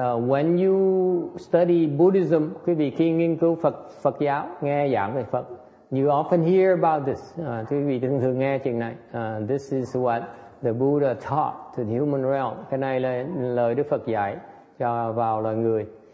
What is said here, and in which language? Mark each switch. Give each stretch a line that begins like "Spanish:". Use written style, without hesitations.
English: When you study Buddhism,
Vietnamese: quý vị khi nghiên cứu Phật giáo, nghe giảng về Phật,
English: you often hear about this.
Vietnamese: Quý vị thường thường nghe chuyện này.
English: This is what the Buddha taught to the human realm.
Vietnamese: Cái này là lời Đức Phật dạy cho vào loài người.